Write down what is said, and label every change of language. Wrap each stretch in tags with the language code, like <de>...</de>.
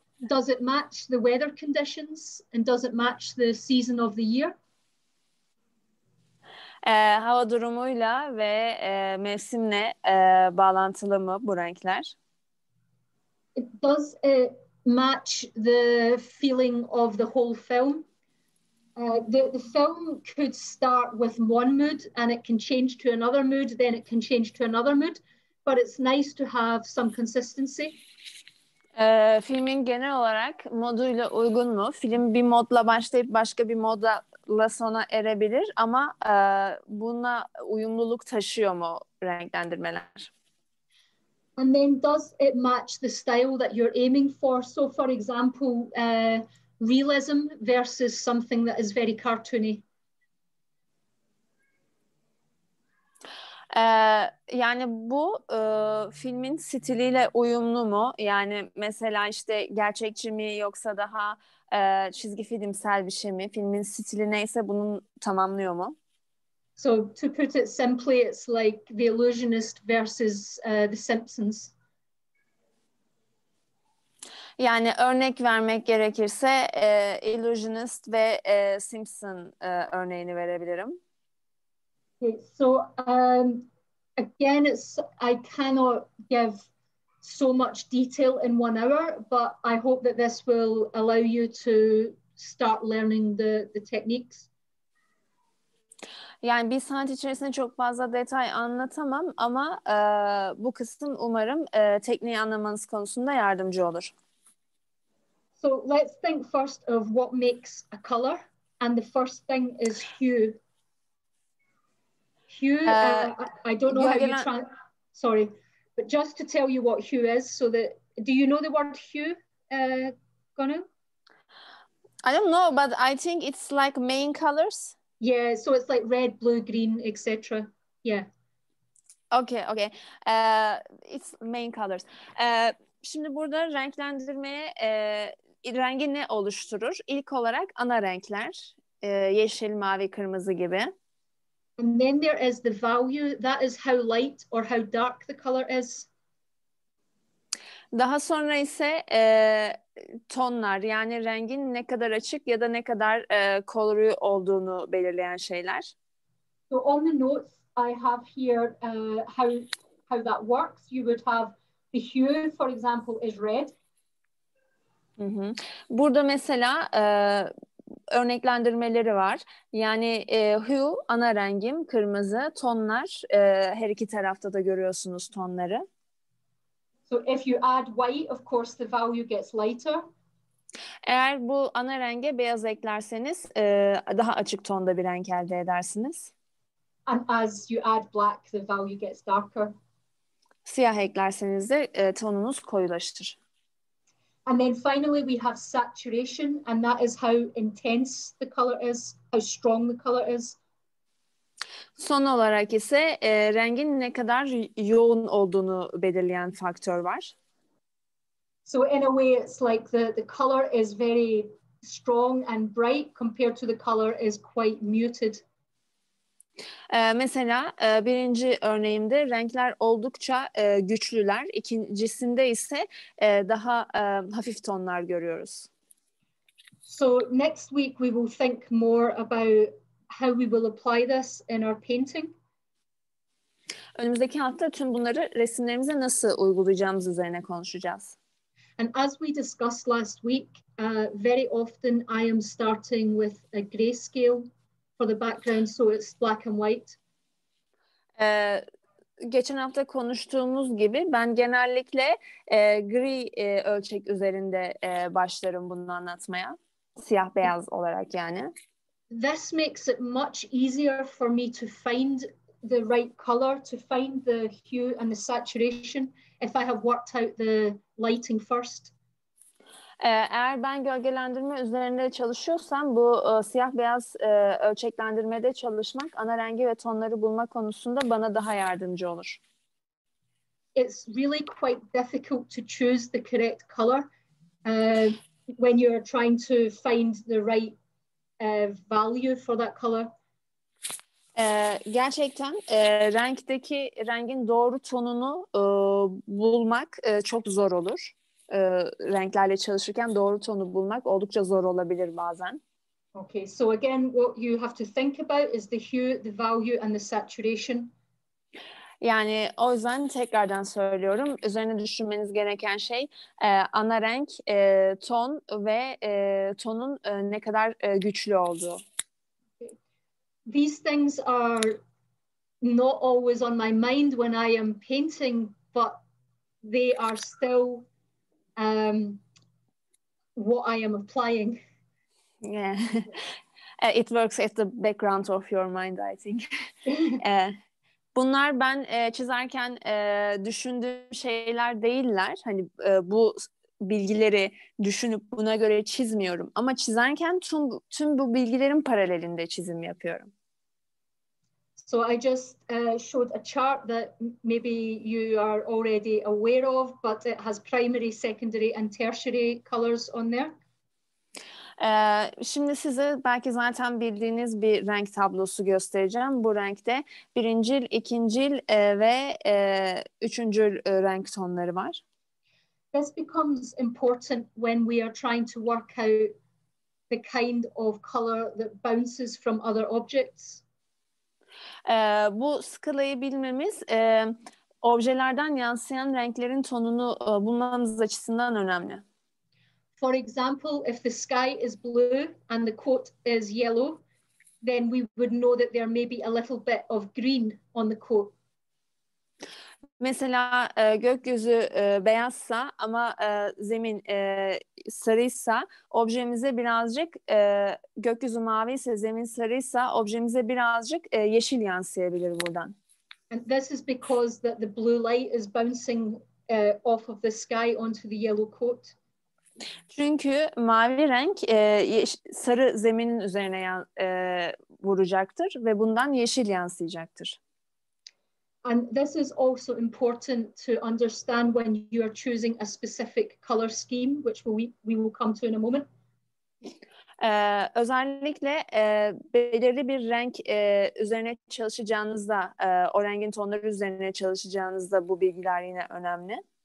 <en>Does it match the weather conditions and does it match the season of the year?</en> <tr>Hava durumuyla ve mevsimle bağlantılı mı bu renkler?</tr> <en>Does it match the feeling of the whole film? The film could start with one mood and it can change to another mood, then it can change to another mood, but it's nice to have some consistency.</en> <tr>Filmin genel olarak moduyla uygun mu? Film bir modla başlayıp başka bir modla sona erebilir ama buna uyumluluk taşıyor mu renklendirmeler?</tr> <en>And then does it match the style that you're aiming for? So for example, realism versus something that is very cartoony.</en> <tr>Yani bu filmin stiliyle uyumlu mu? Yani mesela işte gerçekçi mi yoksa daha çizgi filmsel bir şey mi? Filmin stili neyse bunun tamamlıyor mu?</tr> <en>So to put it simply, it's like The Illusionist versus The Simpsons.</en> <tr>Yani örnek vermek gerekirse Illusionist ve Simpson örneğini verebilirim.</tr> <en>So again, it's I cannot give so much detail in 1 hour, but I hope that this will allow you to start learning the techniques.</en> <tr>Yani bir saat içerisinde çok fazla detay anlatamam ama bu kısım umarım tekniği anlamanız konusunda yardımcı olur.</tr> <en>So let's think first of what makes a color, and the first thing is hue. Hue, I don't know how you sorry, but just to tell you what hue is, so that, do you know the word hue, Gonu? I don't know, but I think it's like main colors. Yeah, so it's like red, blue, green, etc. Yeah. Okay, okay. It's main colors.</en> <tr>Şimdi burada renklendirmeye rengi ne oluşturur? İlk olarak ana renkler, yeşil, mavi, kırmızı gibi.</tr> <en>And then there is the value. That is how light or how dark the color is.</en> <tr>Daha sonra ise tonlar, yani rengin ne kadar açık ya da ne kadar koloru olduğunu belirleyen şeyler.</tr> <en>So on the notes I have here how that works. You would have the hue, for example, is red.</en> <tr>Burada mesela örneklendirmeleri var. Yani hue, ana rengim, kırmızı, tonlar, her iki tarafta da görüyorsunuz tonları.</tr> <en>So if you add white, of course the value gets lighter.</en> <tr>Eğer bu ana renge beyaz eklerseniz daha açık tonda bir renk elde edersiniz.</tr> <en>And as you add black, the value gets darker.</en> <tr>Siyah eklerseniz de tonunuz koyulaşır.</tr> <en>And then finally we have saturation, and that is how intense the color is, how strong the color is.</en> <tr>Son olarak ise rengin ne kadar yoğun olduğunu belirleyen faktör var.</tr> <en>So in a way it's like the color is very strong and bright compared to the color is quite muted.</en> <tr>Mesela birinci örneğimde renkler oldukça güçlüler. İkincisinde ise daha hafif tonlar görüyoruz.</tr> <en>So next week we will think more about how we will apply this in our painting.</en> <tr>Önümüzdeki hafta tüm bunları resimlerimize nasıl uygulayacağımız üzerine konuşacağız.</tr> <en>And as we discussed last week, very often I am starting with a grayscale for the background, so it's black and white.</en> <tr>Geçen hafta konuştuğumuz gibi ben genellikle gri ölçek üzerinde başlarım bunu anlatmaya. Siyah beyaz olarak yani.</tr> <en>This makes it much easier for me to find the right color, to find the hue and the saturation if I have worked out the lighting first.</en> <tr>Eğer ben gölgelendirme üzerinde çalışıyorsam bu siyah beyaz ölçeklendirmede çalışmak ana rengi ve tonları bulma konusunda bana daha yardımcı olur.</tr> <en>It's really quite difficult to choose the correct color when you're trying to find the right value for that color.</en> <tr>Gerçekten renkteki rengin doğru tonunu bulmak çok zor olur. Renklerle çalışırken doğru tonu bulmak oldukça zor olabilir bazen.</tr> <en>Okay, so again what you have to think about is the hue, the value and the saturation.</en> <tr>Yani o yüzden tekrardan söylüyorum, üzerine düşünmeniz gereken şey ana renk, ton ve tonun ne kadar güçlü olduğu.</tr> <en>These things are not always on my mind when I am painting, but they are still what I am applying. Yeah, it works as the background of your mind, I think.</en> <tr>Bunlar ben çizerken düşündüğüm şeyler değiller. Hani bu bilgileri düşünüp buna göre çizmiyorum. Ama çizerken tüm bu bilgilerin paralelinde çizim yapıyorum.</tr> <en>So I just showed a chart that maybe you are already aware of, but it has primary, secondary and tertiary colors on there.</en> <tr>Şimdi size belki zaten bildiğiniz bir renk tablosu göstereceğim. Bu renkte birincil, ikincil ve üçüncül renk tonları var.</tr> <en>This becomes important when we are trying to work out the kind of color that bounces from other objects.</en> <tr>Bu skalayı bilmemiz objelerden yansıyan renklerin tonunu bulmamız açısından önemli.</tr> <en>For example, if the sky is blue and the coat is yellow, then we would know that there may be a little bit of green on the coat.</en> <tr>Mesela gökyüzü beyazsa ama zemin sarıysa objemize birazcık gökyüzü mavi ise zemin sarıysa objemize birazcık yeşil yansıyabilir buradan.</tr> <en>And this is because that the blue light is bouncing off of the sky onto the yellow coat.</en> <tr>Çünkü mavi renk sarı zeminin üzerine vuracaktır ve bundan yeşil yansıyacaktır.</tr> <en>And this is also important to understand when you are choosing a specific color scheme, which we will come to in a moment.</en> <tr>Özellikle belirli bir renk üzerine çalışacağınızda, o rengin tonları üzerine çalışacağınızda bu bilgiler yine önemli.</tr>